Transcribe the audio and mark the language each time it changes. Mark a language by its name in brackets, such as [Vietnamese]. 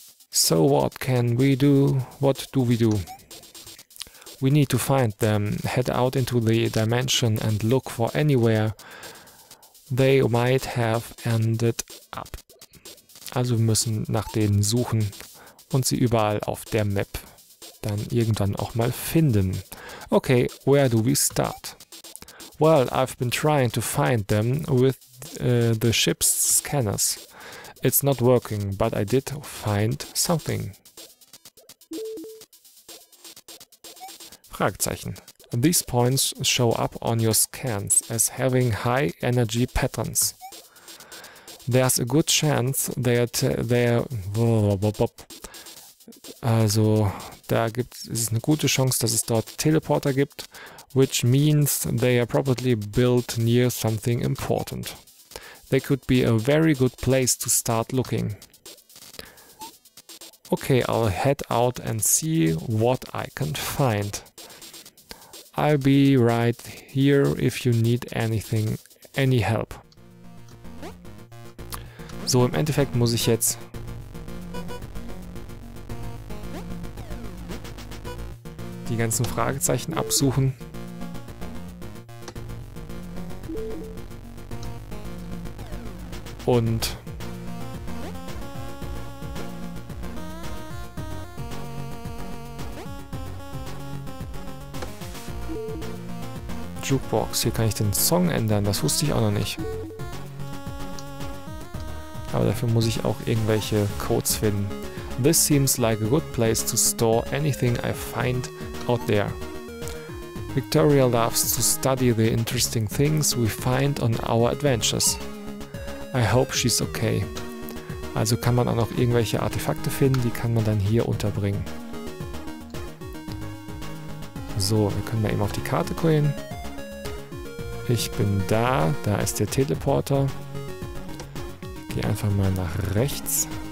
[English] So what can we do? What do we do? We need to find them, head out into the dimension and look for anywhere they might have ended up. [German] Also wir müssen nach denen suchen und sie überall auf der Map dann irgendwann auch mal finden. [English] Okay, where do we start? Well, I've been trying to find them with the ship's scanners. It's not working, but I did find something. Fragezeichen. These points show up on your scans as having high energy patterns. There's a good chance that [German] es ist eine gute Chance, dass es dort Teleporter gibt, [English] which means they are probably built near something important. They could be a very good place to start looking. Okay, I'll head out and see what I can find. I'll be right here if you need anything, any help. [German] So, im Endeffekt muss ich jetzt die ganzen Fragezeichen absuchen. Und Jukebox, hier kann ich den Song ändern, das wusste ich auch noch nicht. Aber dafür muss ich auch irgendwelche Codes finden. [English] This seems like a good place to store anything I find out there. Victoria loves to study the interesting things we find on our adventures. I hope she's okay. [German] Also kann man auch noch irgendwelche Artefakte finden, die kann man dann hier unterbringen. So, wir können mal eben auf die Karte gehen. Ich bin da, da ist der Teleporter. Ich gehe einfach mal nach rechts.